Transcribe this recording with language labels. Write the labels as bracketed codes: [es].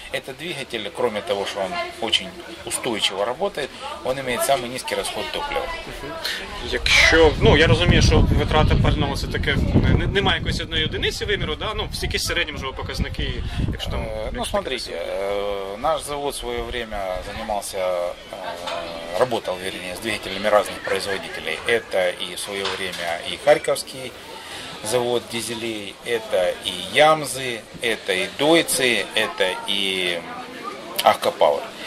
[ru] Этот двигатель, кроме того, что он очень устойчиво работает, он имеет самый низкий расход топлива. [uk] Якщо, ну, я розумію, що витрати парного це таке, немає якоїсь одної одиниці виміру, да? Ну, всі якісь середні вже показники, якщо там... [ru] Ну, смотрите, наш завод в [uk] своє [ru] время [uk] займався, [ru] работал, вернее, с двигателями разных производителей. Это и в [uk] своє [ru] время и харьковский завод дизелей, это и Ямзы, это и Дойцы, это и Ахко Пауэр.